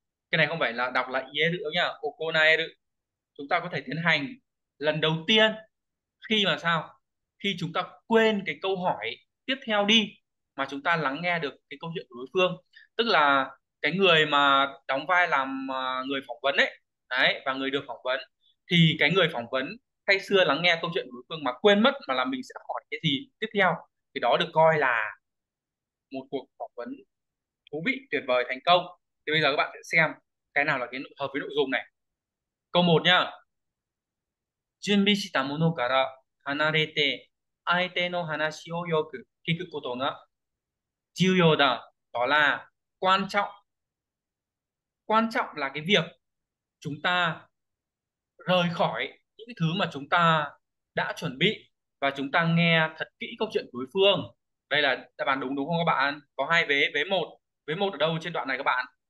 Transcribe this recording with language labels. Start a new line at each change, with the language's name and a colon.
Vietnamese: Cái này không phải là đọc lại ý nữa nhá, okonaeru, chúng ta có thể tiến hành lần đầu tiên khi mà sao, khi chúng ta quên cái câu hỏi tiếp theo đi mà chúng ta lắng nghe được cái câu chuyện của đối phương, tức là cái người mà đóng vai làm người phỏng vấn ấy, đấy, và người được phỏng vấn, thì cái người phỏng vấn say sưa lắng nghe câu chuyện của đối phương mà quên mất mà là mình sẽ hỏi cái gì tiếp theo, thì đó được coi là một cuộc phỏng vấn thú vị, tuyệt vời, thành công. Thì bây giờ các bạn sẽ xem cái nào là cái hợp với nội dung này. Câu 1 nhá.
Japanese: 準備したものから離れて相手の話をよく聞くことが重要だ。
Vietnamese: Đó là quan trọng. Quan trọng là cái việc chúng ta rời khỏi những thứ mà chúng ta đã chuẩn bị và chúng ta nghe thật kỹ câu chuyện đối phương. Đây là đáp án đúng đúng không các bạn? Có hai vế, vế một. Vế một ở đâu trên đoạn này các bạn?